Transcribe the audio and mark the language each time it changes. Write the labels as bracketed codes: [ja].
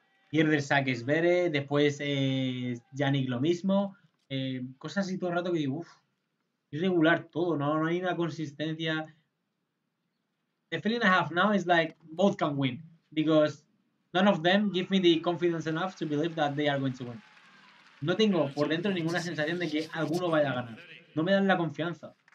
[es] Pierde el saque Zverev, después Jannik lo mismo, cosas así todo el rato que digo, uff, irregular todo, no hay una consistencia. [en] The feeling I have now is like, both can win, because none of them give me the confidence enough to believe that they are going to win. [es] No tengo por dentro ninguna sensación de que alguno vaya a ganar. No me dan la confianza.